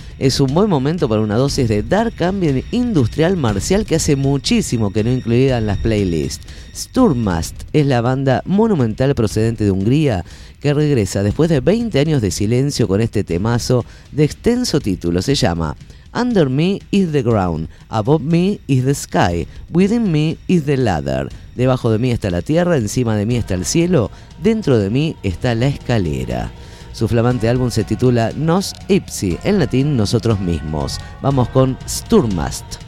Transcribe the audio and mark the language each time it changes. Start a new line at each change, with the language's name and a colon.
Spanish: Es un buen momento para una dosis de Dark Ambient Industrial Marcial que hace muchísimo que no incluía en las playlists. Sturmast es la banda monumental procedente de Hungría que regresa después de 20 años de silencio con este temazo de extenso título. Se llama
English: Under Me is the Ground, Above Me is the Sky, Within Me is the Ladder.
Spanish: Debajo de mí está la tierra, encima de mí está el cielo, dentro de mí está la escalera. Su flamante álbum se titula Nos Ipsi, en latín nosotros mismos. Vamos con Sturmast.